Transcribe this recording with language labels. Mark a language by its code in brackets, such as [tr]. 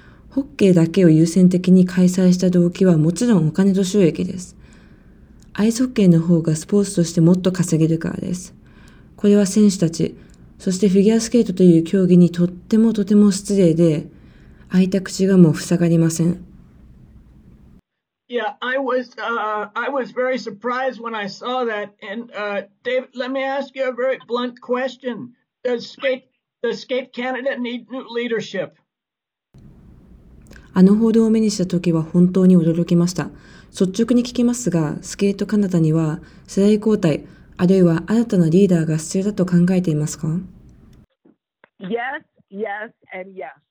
[ja] ホッケーだけを優先的に開催した動機はもちろんお金と収益です。アイスホッケーの方がスポーツとしてもっと稼げるからです。これは選手たち、そしてフィギュアスケートという競技にとってもとても失礼で、開いた口がもう塞がりません。 [en] Yeah, I was very surprised when I saw that. And David, let me ask you a very blunt question. Does Skate Canada need new leadership? [ja] あの報道を目にした時は本当に驚きました。率直に聞きますが、スケートカナダには世代交代、あるいは新たなリーダーが必要だと考えていますか? [en] Yes, yes, and yes.